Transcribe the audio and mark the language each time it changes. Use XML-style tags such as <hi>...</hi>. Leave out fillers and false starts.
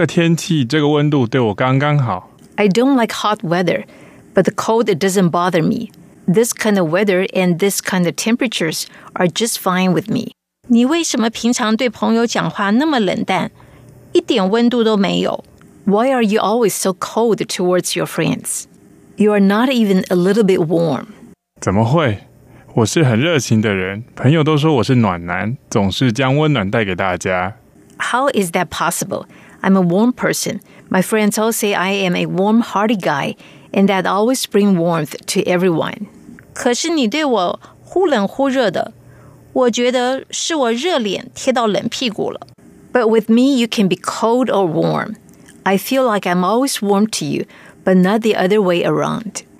<zh>我是怕热不怕冷。这个天气这个温度对我刚刚好。I</zh> <en>don't like hot weather, but the cold doesn't bother me. This kind of weather and this kind of temperatures are just fine with me.</en> <zh>你为什么平常对朋友讲话那么冷淡，一点温度都没有？</zh> <en>Why are you always so cold towards your friends? You are not even a little bit warm.</en> <zh>怎么会? 我是很热情的人, 朋友都说我是暖男, 总是将温暖带给大家。</zh> <en>How is that possible? I'm a warm person. My friends all say I am a warm-hearted guy, and that always bring warmth to everyone.</en> <zh>可是你对我忽冷忽热的, 我觉得是我热脸贴到冷屁股了。</zh> <en>But with me, you can be cold or warm. I feel like I'm always warm to you, but not the other way around.</en>